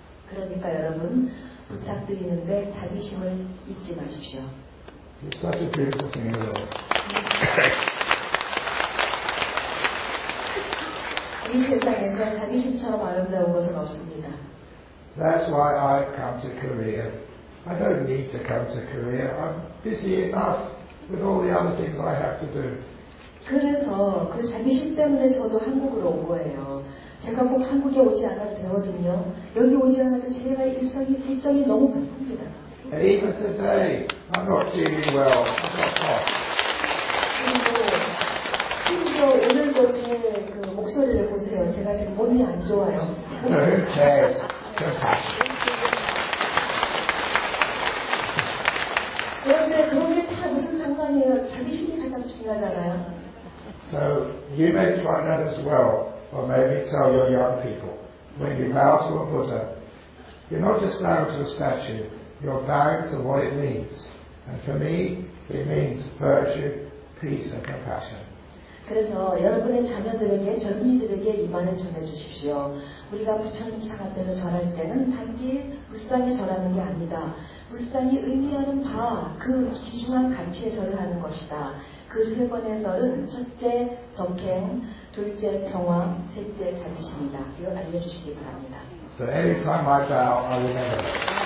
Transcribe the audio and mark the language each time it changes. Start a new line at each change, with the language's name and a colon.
Korean: 그러니까 여러분 부탁드리는데 자비심을 잊지 마십시오.
English: It's such a beautiful thing, isn't it?
Korean: 이 세상에서 자비심처럼 아름다운 것은 없습니다.
English: That's why I come to Korea. I don't need to come to Korea. I'm busy enough with all the other things I have to do.
Korean: 그래서 그 자비심 때문에 저도 한국으로 온 거예요. 제가 꼭 한국에 오지 않아도 되거든요. 여기 오지 않아도 제가 일정이 너무 바쁩니다.
English: And even today, I'm not feeling well. I've got cough.
Korean: 그리고 심지어 오늘도 제 그 목소리를 보세요. 제가 지금 몸이 안 좋아요.
English: No, who cares? Compassion.
Korean: 그런데 그런 게 다 무슨 상관이에요? 자비심이 가장 중요하잖아요.
English: So you may try that as well. Or maybe tell your young people, when you bow to a Buddha, you're not just bowing to a statue, you're bowing to what it means. And for me, it means virtue, peace, and compassion.
Korean: 그래서 여러분의 자녀들에게, 젊은이들에게 이 말을 전해주십시오. 우리가 부처님상 앞에서 절할 때는 단지 불쌍히 절하는 게 아니다. 불쌍히 의미하는 바, 그 귀중한 가치의 절을 하는 것이다. 그 세 번의 절은 첫째, 덕행, 둘째, 평화, 셋째, 자비심이다. 이거 알려주시기 바랍니다.
English: So anytime I bow, I remember it.